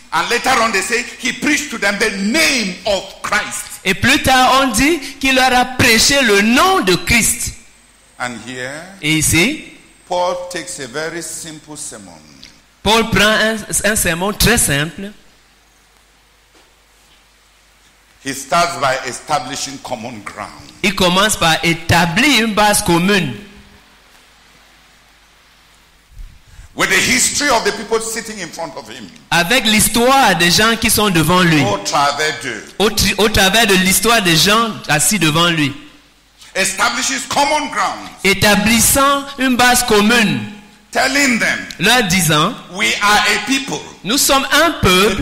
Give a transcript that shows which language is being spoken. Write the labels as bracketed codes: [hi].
[en] And later on they say he preached to them the name of Christ. [fr] Et plus tard on dit qu'il leur a prêché le nom de Christ. [en] And here, [fr] et ici, [en] Paul takes a very simple sermon. [fr] Paul prend un sermon très simple. [en] He starts by establishing common ground. [fr] Il commence par établir une base commune. [en] With the history of the people sitting in front of him. [fr] Avec l'histoire des gens qui sont devant lui. Au travers de l'histoire des gens assis devant lui. [en] Establishes common ground. [fr] Établissant une base commune. [en] Telling them, [fr] leur disant, [en] we are a people. [fr] Nous sommes un peuple.